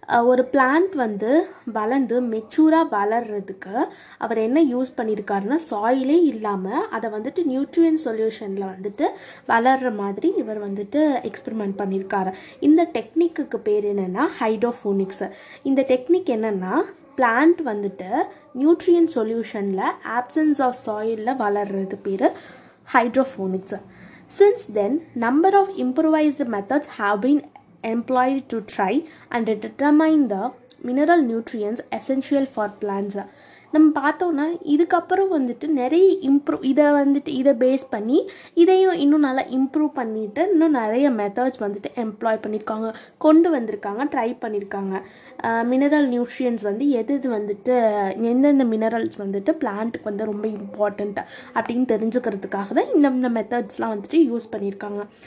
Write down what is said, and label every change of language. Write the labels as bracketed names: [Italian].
[Tamil] ஒரு பிளான்ட் வந்து வளர்ந்து மெச்சூராக வளர்கிறதுக்கு அவர் என்ன யூஸ் பண்ணியிருக்காருன்னா, சாயிலே இல்லாமல் அதை வந்துட்டு நியூட்ரியன் சொல்யூஷனில் வந்துட்டு வளர்கிற மாதிரி இவர் வந்துட்டு எக்ஸ்பெரிமெண்ட் பண்ணியிருக்காரு. இந்த டெக்னிக்குக்கு பேர் என்னென்னா ஹைட்ரோஃபோனிக்ஸ். இந்த டெக்னிக் என்னென்னா, பிளான்ட் வந்துட்டு நியூட்ரியன் சொல்யூஷனில் ஆப்சன்ஸ் ஆஃப் சாயிலில் வளர்கிறது பேர் hydroponics. [English] Since then, number of improvised methods have been employed to try and determine the mineral nutrients essential for plants. [Tamil] நம்ம பார்த்தோம்னா, இதுக்கப்புறம் வந்துட்டு நிறைய இம்ப்ரூவ், இதை வந்துட்டு இதை பேஸ் பண்ணி இதையும் இன்னும் நல்லா இம்ப்ரூவ் பண்ணிவிட்டு இன்னும் நிறைய மெத்தட்ஸ் வந்துட்டு எம்ப்ளாய் பண்ணியிருக்காங்க, கொண்டு வந்திருக்காங்க, ட்ரை பண்ணியிருக்காங்க. மினரல் நியூட்ரியன்ஸ் வந்து எது இது வந்துட்டு எந்தெந்த மினரல்ஸ் வந்துட்டு பிளான்ட்டுக்கு வந்து ரொம்ப இம்பார்ட்டண்ட்டு அப்படின்னு தெரிஞ்சுக்கிறதுக்காக தான் இந்த மெத்தட்ஸ்லாம் வந்துட்டு யூஸ் பண்ணியிருக்காங்க.